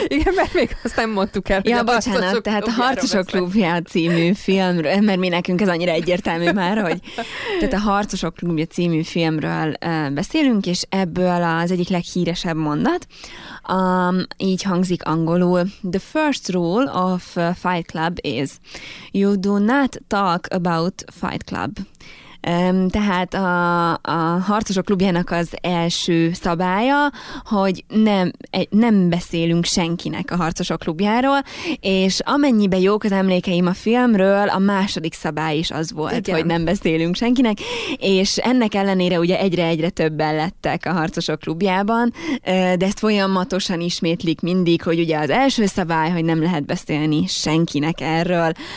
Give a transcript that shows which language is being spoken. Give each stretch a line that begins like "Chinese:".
Hungarian: Igen, mert még azt nem mondtuk el. Ja, bocsánat, tehát a Harcosok klubja című filmről, mert mi nekünk ez annyira egyértelmű már, hogy tehát a Harcosok klubja című filmről beszélünk, és ebből az egyik leghíresebb mondat, így hangzik angolul.
English: The first rule of Fight Club is you do not talk about Fight Club.
Hungarian: Tehát a Harcosok klubjának az első szabálya, hogy nem beszélünk senkinek a Harcosok klubjáról, és amennyiben jók az emlékeim a filmről, a második szabály is az volt, igen, hogy nem beszélünk senkinek, és ennek ellenére ugye egyre-egyre többen lettek a Harcosok klubjában, de ezt folyamatosan ismétlik mindig, hogy ugye az első szabály, hogy nem lehet beszélni senkinek erről.